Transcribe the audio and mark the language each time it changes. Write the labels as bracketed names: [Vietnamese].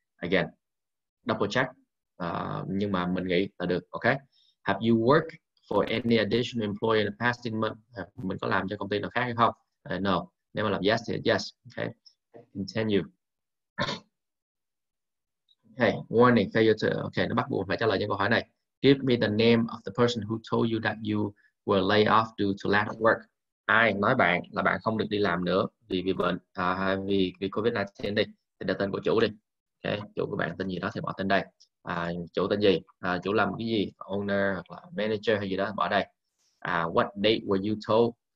[Vietnamese] Again, double check, nhưng mà mình nghĩ là được. [English] Ok, have you worked for any additional employer in the past month? [Vietnamese] Mình có làm cho công ty nào khác hay không? No, nếu mà làm yes thì yes. Okay, continue. Okay, warning, failure to. Okay, nó bắt buộc phải trả lời những câu hỏi này. [English] Give me the name of the person who told you that you were laid off due to lack of work. [Vietnamese] Ai nói bạn là bạn không được đi làm nữa vì bị bệnh, vì COVID-19 đi. Thì để tên của chủ đi. Okay, chủ của bạn tên gì đó thì bỏ tên đây. Chủ tên gì? Chủ làm cái gì? Owner hoặc là manager hay gì đó bỏ đây. [English] What date were you told?